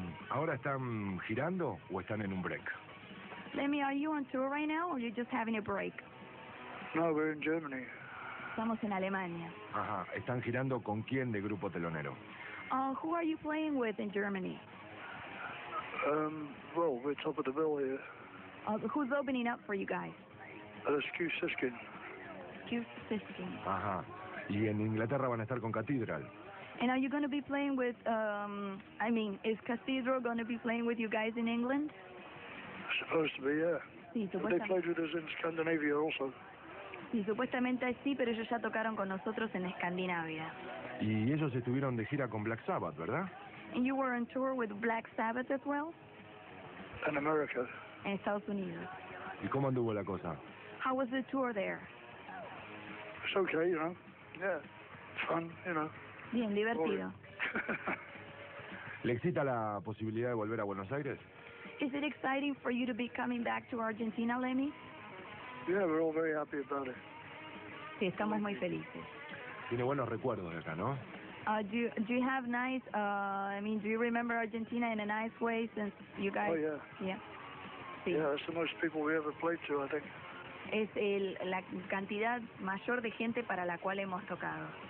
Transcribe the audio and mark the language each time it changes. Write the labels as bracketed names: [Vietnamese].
[Spanish] ¿Ahora están girando o están en un break? [English] Lemmy, are you on tour right now or are you just having a break? No, we're in Germany. [Spanish] Estamos en Alemania. Ajá, ¿están girando con quién de grupo telonero? [English] Who are you playing with in Germany? Well, we're top of the bill here. Who's opening up for you guys? Q Siskin. [Spanish] Ajá. ¿Y en Inglaterra van a estar con Cathedral? [English] And are you going to be playing with, I mean, is Cathedral going to be playing with you guys in England? Supposed to be, yeah. [Spanish] Sí, [English] they played with us in Scandinavia also. [Spanish] Sí, supuestamente sí, pero ellos ya tocaron con nosotros en Escandinavia. Y ellos estuvieron de gira con Black Sabbath, ¿verdad? [English] And you were on tour with Black Sabbath as well? In America. [Spanish] En Estados Unidos. ¿Y cómo anduvo la cosa? [English] How was the tour there? It's okay, you know. Yeah. Fun, you know. [Spanish] Bien, divertido. ¿Le excita la posibilidad de volver a Buenos Aires? [English] Is it exciting for you to be coming back to Argentina, Lemmy? Yeah, we're all very happy about it. [Spanish] Sí, estamos muy felices. Tiene buenos recuerdos de acá, ¿no? [English] Do you have nice, do you remember Argentina in a nice way since you guys... Oh, yeah. Yeah. Yeah, that's the most people we ever played to, I think. [Spanish] Es la cantidad mayor de gente para la cual hemos tocado.